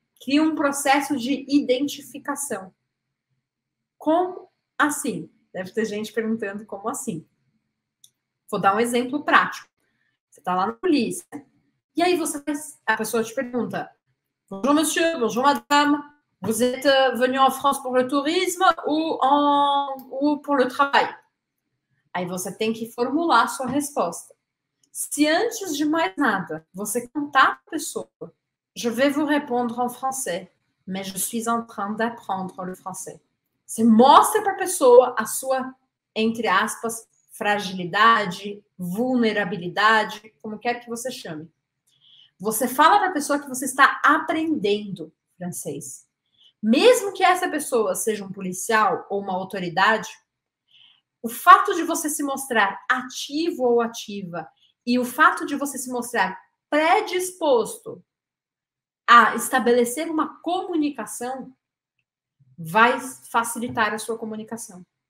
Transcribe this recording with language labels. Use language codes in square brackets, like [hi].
[pt] Cria um processo de identificação. Como assim? Deve ter gente perguntando como assim. Vou dar um exemplo prático. Você está lá na polícia, e aí você, a pessoa te pergunta: [fr] Bonjour, monsieur, bonjour, madame. Vous êtes venu en France pour le tourisme ou pour le travail? [pt] Aí você tem que formular a sua resposta. Se antes de mais nada você contar a pessoa: [fr] Je vais vous répondre en français, mais je suis en train d'apprendre le français. [pt] Você mostra para a pessoa a sua, entre aspas, fragilidade, vulnerabilidade, como quer que você chame. Você fala para a pessoa que você está aprendendo francês. Mesmo que essa pessoa seja um policial ou uma autoridade, o fato de você se mostrar ativo ou ativa e o fato de você se mostrar predisposto a estabelecer uma comunicação vai facilitar a sua comunicação.